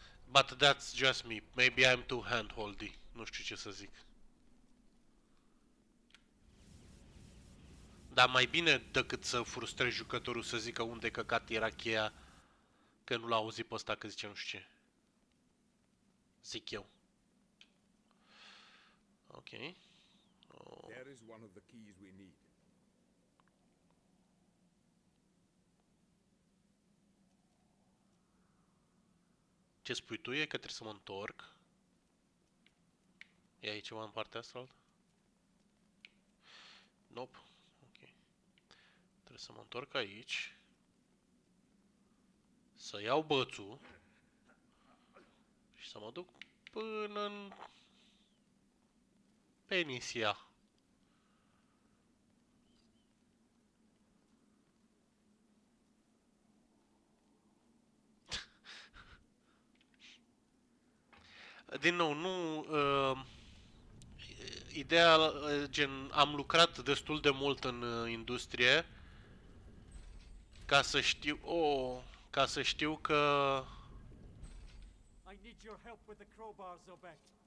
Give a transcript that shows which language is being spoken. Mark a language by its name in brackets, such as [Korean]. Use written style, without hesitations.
[English] But that's just me. Maybe I'm too hand-holdy. [Romanian] Nu știu ce să zic. Dar mai bine decât să frustrezi jucătorul să zică unde căcat era cheia, că nu l-a auzit pe ăsta că zice nu știu ce. Zic eu. Ok. [English] There is one of the keys we need. [Romanian] Ce spui tu e că trebuie să mă întorc. E aici ceva în partea asta? Nope. Ok. Trebuie să mă întorc aici. Să iau bățul. Și să mă duc până în... Penisia. Din nou, nu... ideea, gen, am lucrat destul de mult în industrie ca să știu... Oh, ca să știu că... [English] I need your help with the crowbar, Zobek.